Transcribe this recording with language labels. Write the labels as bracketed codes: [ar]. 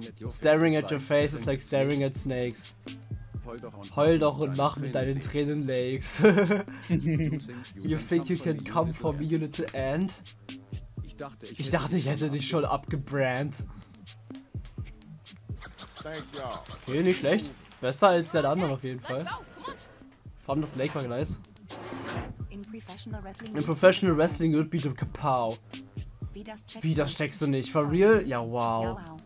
[en] Staring at your face is like staring at snakes. [de] Heul doch und mach mit deinen Tränen Lakes. [en] You think you can come for me, you little ant? [de] Ich dachte, ich hätte dich schon abgebrannt. Okay, nicht schlecht. Besser als der andere auf jeden Fall. Vor allem das Lake war nice. [en] In Professional Wrestling would be the Kapow. [de] Wie, das checkst du nicht? [en] For real? [de] Ja, wow.